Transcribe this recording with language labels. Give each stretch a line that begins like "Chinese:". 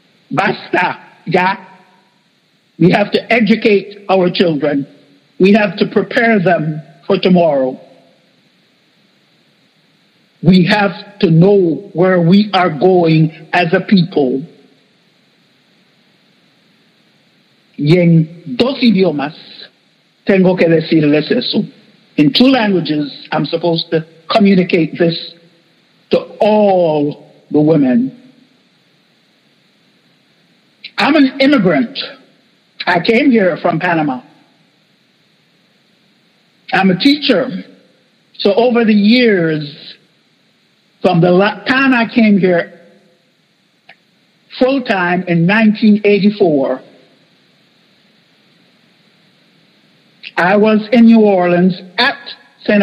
Spanish: Basta, ya.
English: We have to educate our children. We have to prepare them for tomorrow. We have to know where we are going as a people.
Spanish: Y en dos idiomas, tengo que decirles eso.
English: In two languages, I'm supposed to communicate this to all the women. I'm an immigrant. I came here from Panama. I'm a teacher. So over the years, from the time I came here full time in 1984, I was in New Orleans at St.